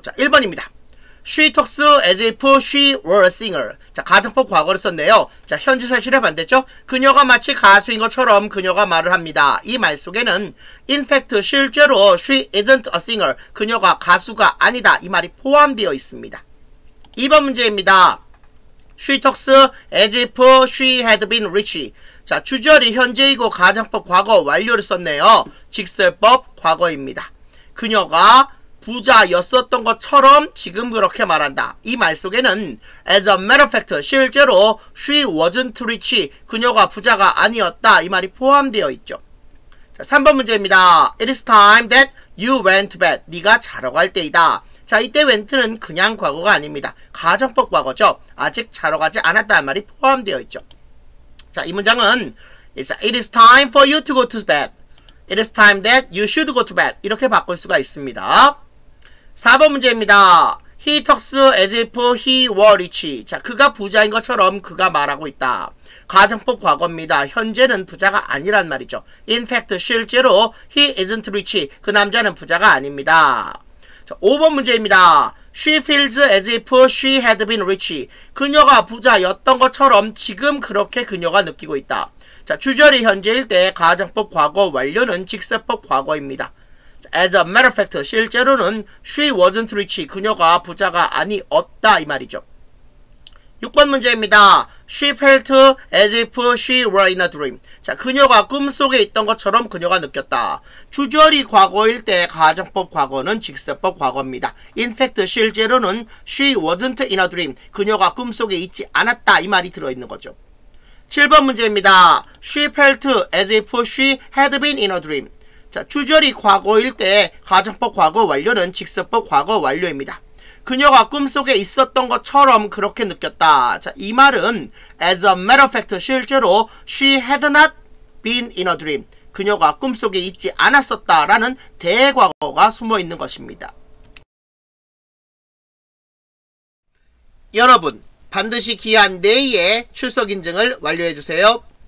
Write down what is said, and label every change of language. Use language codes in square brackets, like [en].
[ko] 자, 1번입니다. [en] She talks as if she were a singer. [ko] 자, 가정법 과거를 썼네요. 자, 현재 사실에 반대죠? 그녀가 마치 가수인 것처럼 그녀가 말을 합니다. 이 말 속에는 [en] In fact, [ko] 실제로 [en] she isn't a singer. [ko] 그녀가 가수가 아니다. 이 말이 포함되어 있습니다. 2번 문제입니다. [en] She talks as if she had been rich. [ko] 자, 주절이 현재이고 가정법 과거 완료를 썼네요. 직설법 과거입니다. 그녀가 부자였었던 것처럼 지금 그렇게 말한다. 이 말 속에는 [en] as a matter of fact, [ko] 실제로 [en] she wasn't rich, [ko] 그녀가 부자가 아니었다. 이 말이 포함되어 있죠. 자, 3번 문제입니다. [en] It is time that you went to bed. [ko] 네가 자러 갈 때이다. 자, 이때 went는 그냥 과거가 아닙니다. 가정법 과거죠. 아직 자러 가지 않았다는 말이 포함되어 있죠. 자, 이 문장은 [en] It is time for you to go to bed. It is time that you should go to bed. [ko] 이렇게 바꿀 수가 있습니다. 4번 문제입니다. [en] He talks as if he were rich. [ko] 자, 그가 부자인 것처럼 그가 말하고 있다. 가정법 과거입니다. 현재는 부자가 아니란 말이죠. [en] In fact, [ko] 실제로 [en] he isn't rich. [ko] 그 남자는 부자가 아닙니다. 자, 5번 문제입니다. [en] She feels as if she had been rich. [ko] 그녀가 부자였던 것처럼 지금 그렇게 그녀가 느끼고 있다. 자, 주절이 현재일 때 가정법 과거 완료는 직설법 과거입니다. [en] As a matter of fact, [ko] 실제로는 [en] she wasn't rich, [ko] 그녀가 부자가 아니었다, 이 말이죠. 6번 문제입니다. [en] She felt as if she were in a dream. [ko] 자, 그녀가 꿈속에 있던 것처럼 그녀가 느꼈다. 주절이 과거일 때 가정법 과거는 직설법 과거입니다. [en] In fact, [ko] 실제로는 [en] she wasn't in a dream. [ko] 그녀가 꿈속에 있지 않았다. 이 말이 들어있는 거죠. 7번 문제입니다. [en] She felt as if she had been in a dream. [ko] 자, 주절이 과거일 때 가정법 과거 완료는 직설법 과거 완료입니다. 그녀가 꿈속에 있었던 것처럼 그렇게 느꼈다. 자, 이 말은 [en] as a matter of fact [ko] 실제로 [en] she had not been in a dream. [ko] 그녀가 꿈속에 있지 않았었다라는 대과거가 숨어 있는 것입니다. 여러분, 반드시 기한 내에 출석 인증을 완료해 주세요.